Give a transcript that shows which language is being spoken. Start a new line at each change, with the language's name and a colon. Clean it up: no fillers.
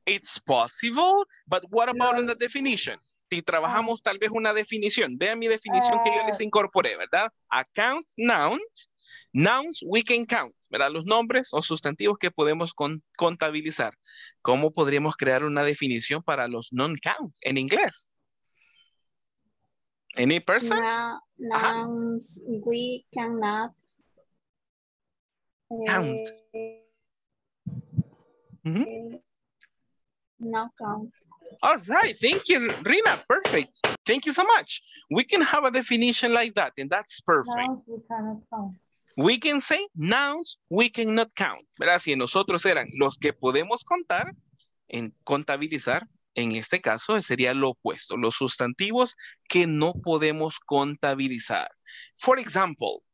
English: It's possible, but what about in the definition?
Spanish: Si trabajamos tal vez una definición, vean mi definición que yo les incorporé, ¿verdad?
English: A count, nouns, nouns we can count, ¿verdad?
Spanish: Los nombres o sustantivos que podemos contabilizar. ¿Cómo podríamos crear una definición para los non-count en inglés?
English: Any person? No, nouns we cannot count. Mm-hmm. No count. All right. Thank you, Rina. Perfect. Thank you so much. We can have a definition like that, and that's perfect. Nouns, we cannot count. We can say nouns, we cannot count. ¿Verdad?
Spanish: Si nosotros eran los que podemos contar, en contabilizar, en este caso sería lo opuesto. Los sustantivos que no podemos contabilizar.
English: For example,